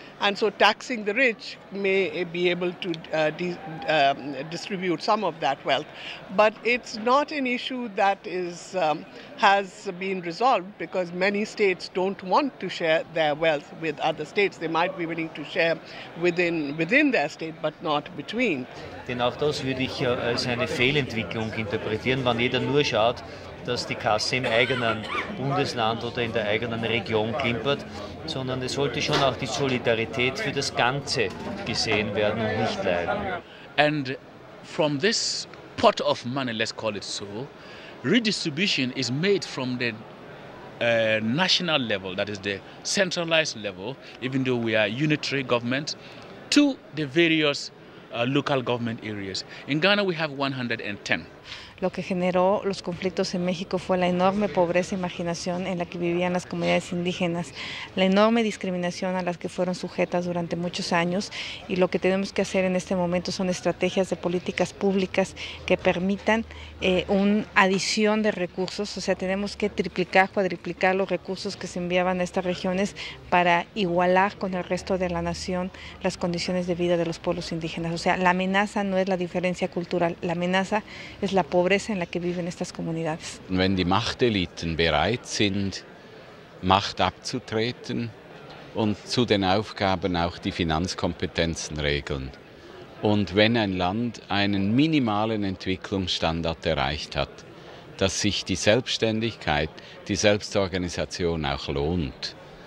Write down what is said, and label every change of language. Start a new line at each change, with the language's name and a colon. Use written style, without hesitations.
English: And so taxing the rich may be able to distribute some of that wealth. But it's not an issue that is has been resolved, because many states don't want to share their wealth with other states. They might be willing to share within their state, but not between.
German: Denn auch das würde ich als eine Fehlentwicklung interpretieren, wenn jeder nur schaut, dass die Kasse im eigenen Bundesland oder in der eigenen Region klimpert, sondern es sollte schon auch die Solidarität für das Ganze gesehen werden und nicht leiden.
English: And from this pot of money, let's call it so, redistribution is made from the national level, that is the centralized level, even though we are unitary government, to the various local government areas. In Ghana we have 110.
Spanish: Lo que generó los conflictos en México fue la enorme pobreza y marginación en la que vivían las comunidades indígenas, la enorme discriminación a las que fueron sujetas durante muchos años, y lo que tenemos que hacer en este momento son estrategias de políticas públicas que permitan una adición de recursos. O sea, tenemos que triplicar, cuadriplicar los recursos que se enviaban a estas regiones para igualar con el resto de la nación las condiciones de vida de los pueblos indígenas. O sea, la amenaza no es la diferencia cultural, la amenaza es la pobreza en la que viven estas comunidades.
German: Wenn die Machteliten bereit sind, Macht abzutreten und zu den Aufgaben auch die Finanzkompetenzen regeln. Und wenn ein Land einen minimalen Entwicklungsstandard erreicht hat, dass sich die Selbstständigkeit, die Selbstorganisation auch lohnt.